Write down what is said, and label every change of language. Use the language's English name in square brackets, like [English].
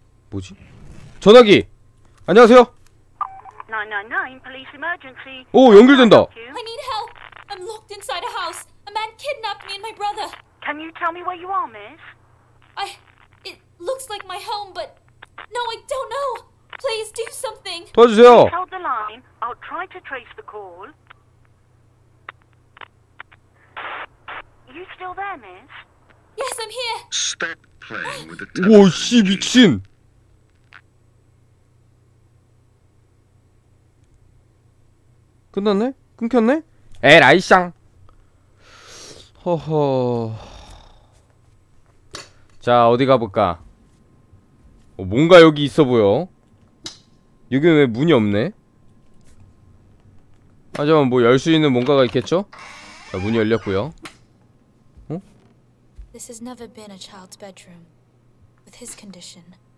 [Korean] 뭐지? 전화기! 안녕하세요! [English] 난 999 police emergency. [Korean] 오, 연결된다. [English] I need help. I'm locked inside a house. A man kidnapped me and my brother. Can you tell me where you are, miss? It looks like my home, but no, I don't know. Please do something. [Korean] 도와주세요. [English] Hold the line. I'll try to trace the call. You still there, miss? Yes, I'm here. Stop playing with the telephone. [Korean] 와, 씨, 미친. [English] Done? [Korean] 끊겼네? 에, 라이샹. 허허. 자, 어디 가볼까? 뭔가 여기 있어 보여. 여기는 왜 문이 없네? 하지만 뭐 열 수 있는 뭔가가 있겠죠? 자, 문이 열렸고요. 어? [English] This has never been a child's bedroom with his condition.